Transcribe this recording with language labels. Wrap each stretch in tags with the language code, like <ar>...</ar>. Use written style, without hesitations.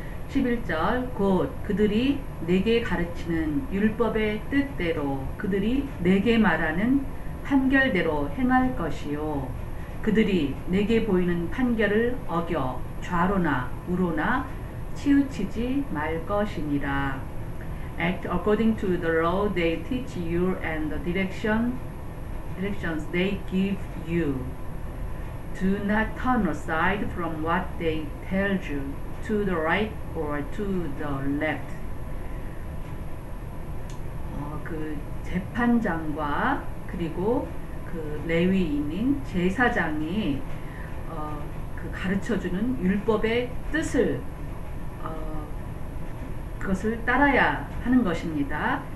<ko>11절 곧 그들이 내게 가르치는 율법의 뜻대로 그들이 내게 말하는 판결대로 행할 것이요. 그들이 내게 보이는 판결을 어겨 좌로나 우로나 치우치지 말 것이니라.</ko> <en>Act according to the law they teach you and the directions they give you. Do not turn aside from what they tell you to the right or to the left.</en> <ko>그 재판장과 그리고 그 레위인인 제사장이 그 가르쳐주는 율법의 뜻을 그것을 따라야 하는 것입니다.</ko>